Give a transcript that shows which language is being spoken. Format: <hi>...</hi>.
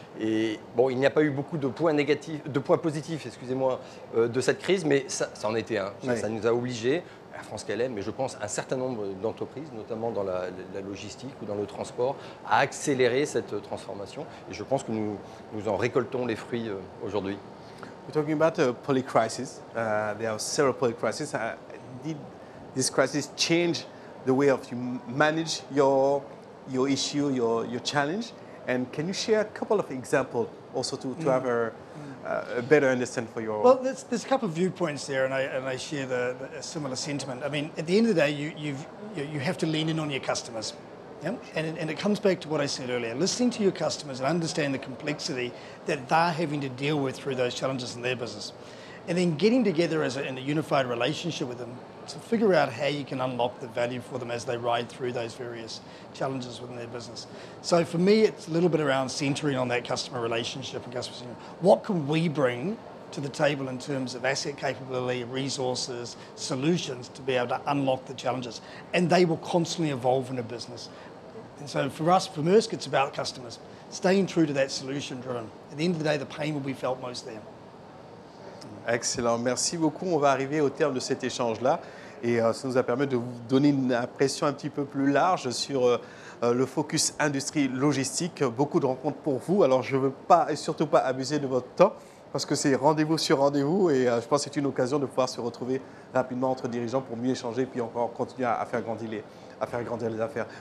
<fr>Et bon, il n'y a pas eu beaucoup de points positifs, de cette crise, mais ça en était un. Ça nous a obligés, Air France KLM, mais je pense un certain nombre d'entreprises, notamment dans la logistique ou dans le transport, à accélérer cette transformation. Et je pense que nous en récoltons les fruits aujourd'hui.</fr> <en>We're talking about a polycrisis. There are several polycrisis. Did this crisis change the way of you manage your issue, your challenge, and can you share a couple of examples also to have a better understanding for your... Well, there's a couple of viewpoints there, and I share a similar sentiment. I mean, at the end of the day, you have to lean in on your customers. Yeah? And it comes back to what I said earlier. Listening to your customers and understand the complexity that they're having to deal with through those challenges in their business. And then getting together as in a unified relationship with them to figure out how you can unlock the value for them as they ride through those various challenges within their business. So for me, it's a little bit around centering on that customer relationship and customer centering. What can we bring to the table in terms of asset capability, resources, solutions to be able to unlock the challenges? And they will constantly evolve in a business. And so for us, for Maersk, it's about customers, staying true to that solution driven. At the end of the day, the pain will be felt most there.</en> <fr>Excellent, merci beaucoup. On va arriver au terme de cet échange-là et ça nous a permis de vous donner une impression un petit peu plus large sur le focus industrie logistique. Beaucoup de rencontres pour vous, alors je ne veux pas et surtout pas abuser de votre temps parce que c'est rendez-vous sur rendez-vous et je pense que c'est une occasion de pouvoir se retrouver rapidement entre dirigeants pour mieux échanger et puis encore continuer à faire grandir les affaires.</fr>